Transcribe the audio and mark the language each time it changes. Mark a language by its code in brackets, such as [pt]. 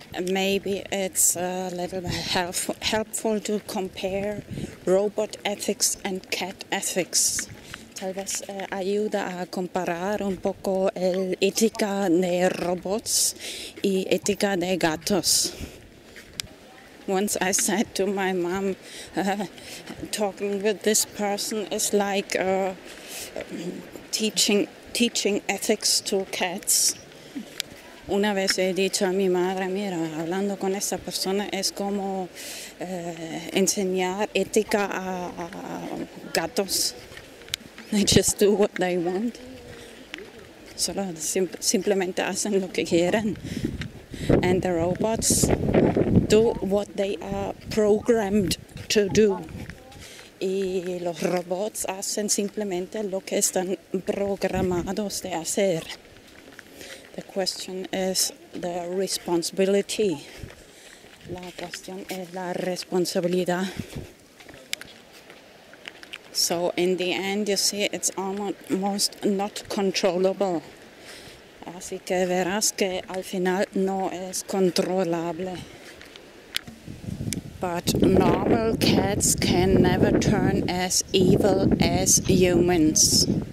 [en] Maybe it's a little helpful to compare robot ethics and cat ethics. [es] Tal vez ayuda a comparar un poco el ética de robots y ética de gatos. [en] Once I said to my mom, talking with this person is like teaching ethics to cats. [es] Una vez he dicho a mi madre, mira, hablando con esta persona es como enseñar ética a gatos. [en] They just do what they want. [es] Solo simplemente hacen lo que quieren. [en] And the robots do what they are programmed to do. [es] Y los robots hacen simplemente lo que están programados de hacer. [en] The question is the responsibility. [es] La cuestión es la responsabilidad. [en] So in the end, you see, it's almost not controllable. [es] Así que verás que al final no es controlable. [en] But normal cats can never turn as evil as humans.